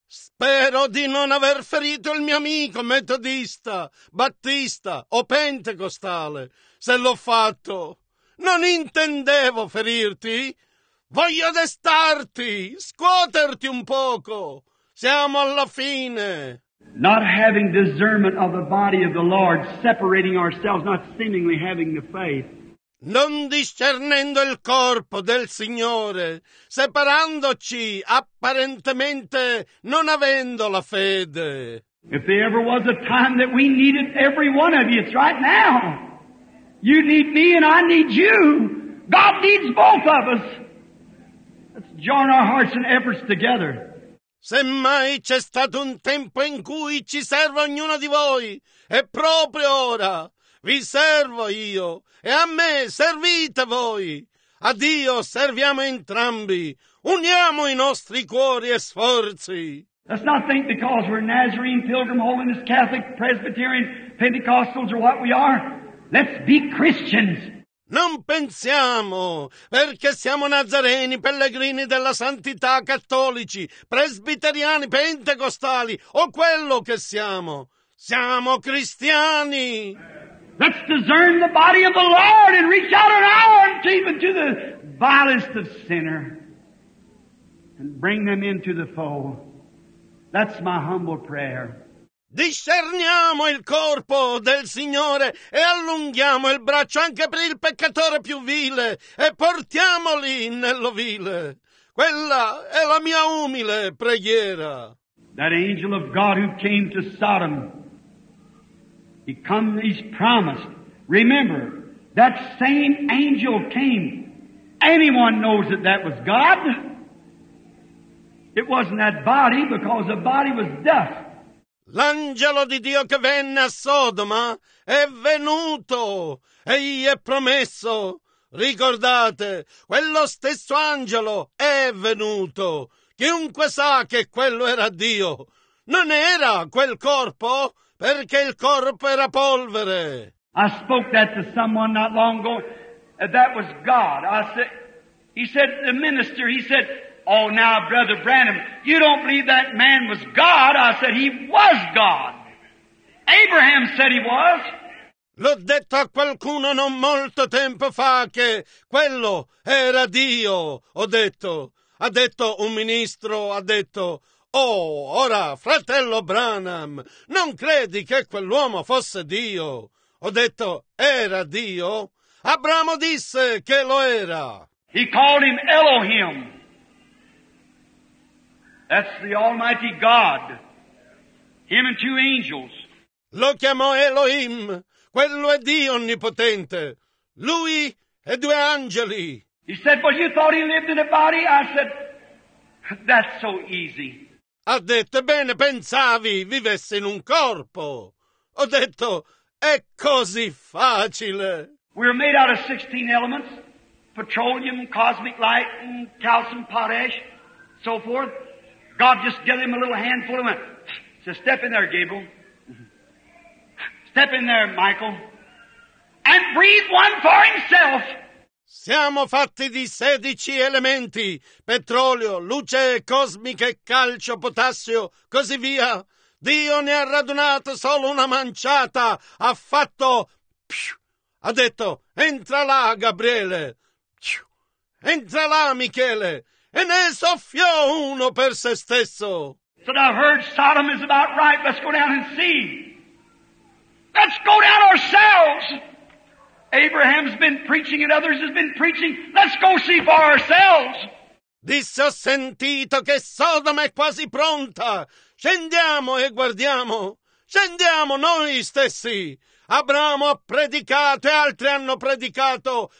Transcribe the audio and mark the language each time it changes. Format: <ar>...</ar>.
<it>Spero di non aver ferito il mio amico metodista, battista o pentecostale. Se l'ho fatto, non intendevo ferirti. Voglio destarti, scuoterti un poco. Siamo alla fine.</it> <en>Not having discernment of the body of the Lord, separating ourselves, not seemingly having the faith.</en> <it>Non discernendo il corpo del Signore, separandoci apparentemente non avendo la fede.</it> <en>If there ever was a time that we needed every one of you, it's right now. You need me and I need you. God needs both of us. Let's join our hearts and efforts together.</en> <it>Semmai c'è stato un tempo in cui ci serve ognuno di voi, è proprio ora. Vi servo io, e a me servite voi. A Dio serviamo entrambi. Uniamo i nostri cuori e sforzi.</it> <en>Let's not think because we're Nazarene, Pilgrim, Holiness, Catholic, Presbyterian, Pentecostals, or what we are. Let's be Christians.</en> <it>Non pensiamo, perché siamo Nazareni, Pellegrini della Santità, Cattolici, Presbiteriani, Pentecostali, o quello che siamo. Siamo cristiani.</it> <en>Let's discern the body of the Lord and reach out an arm even to the vilest of sinner and bring them into the fold. That's my humble prayer.</en> <it>Discerniamo il corpo del Signore e allunghiamo il braccio anche per il peccatore più vile e portiamoli nell'ovile. Quella è la mia umile preghiera.</it> <en>That angel of God who came to Sodom, he come, he's promised. Remember, that same angel came. Anyone knows that that was God. It wasn't that body, because the body was dust.</en> <it>L'angelo di Dio che venne a Sodoma è venuto, e gli è promesso. Ricordate, quello stesso angelo è venuto. Chiunque sa che quello era Dio, non era quel corpo? Perché il corpo era polvere.</it> <en>I spoke that to someone not long ago. That was God. He said, the minister, he said, oh, now, Brother Branham, you don't believe that man was God. I said, he was God. Abraham said he was.</en> <it>L'ho detto a qualcuno non molto tempo fa che quello era Dio. Ho detto, ha detto un ministro, ha detto, oh, ora, fratello Branham, non credi che quell'uomo fosse Dio? Ho detto, era Dio? Abramo disse che lo era.</it> <en>He called him Elohim. That's the Almighty God. Him and two angels.</en> <it>Lo chiamò Elohim. Quello è Dio Onnipotente. Lui e due angeli.</it> <en>He said, but you thought he lived in a body? I said, that's so easy.</en> <it>Ha detto, ebbene, pensavi vivesse in un corpo. Ho detto, è così facile.</it> <en>We're made out of 16 elements, petroleum, cosmic light, and calcium, potash, so forth. God just gave him a little handful of them. Said, step in there, Gabriel. Step in there, Michael. And breathe one for himself.</en> <it>Siamo fatti di 16 elementi, petrolio, luce cosmica, calcio, potassio, così via. Dio ne ha radunato solo una manciata, ha fatto, ha detto, entra là, Gabriele, entra là, Michele, e ne soffiò uno per se stesso.</it> <en>So now I've heard Sodom is about right, let's go down and see. Let's go down ourselves. Abraham's been preaching and others have been preaching. Let's go see for ourselves.</en> <it>Disse, ho sentito che Sodoma è quasi pronta. Scendiamo e guardiamo. Scendiamo noi stessi. Abramo ha predicato e altri hanno predicato.</it>